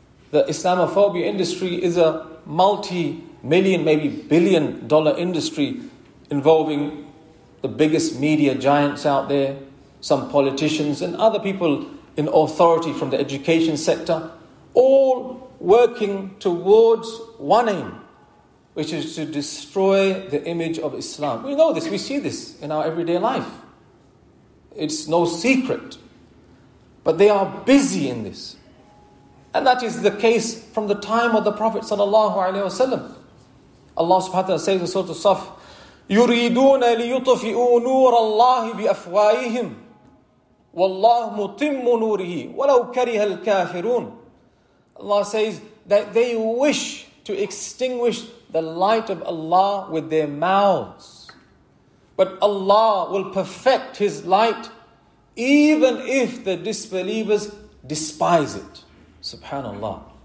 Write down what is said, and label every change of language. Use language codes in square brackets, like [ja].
[en] The Islamophobia industry is a multi-million, maybe billion dollar industry involving the biggest media giants out there, some politicians and other people in authority from the education sector, all working towards one aim, which is to destroy the image of Islam. We know this, we see this in our everyday life. It's no secret. But they are busy in this. And that is the case from the time of the Prophet sallallahu alaihi wasallam. Allah subhanahu wa ta'ala says in Surah As-Saff, [ar] يُرِيدُونَ لِيُطْفِئُوا نُورَ اللَّهِ بِأَفْوَائِهِمْ وَاللَّهُ مُتِمُّ نُورِهِ وَلَوْ كَرِهَ الْكَافِرُونَ. [en] Allah says that they wish to extinguish the light of Allah with their mouths. But Allah will perfect His light even if the disbelievers despise it. Subhanallah.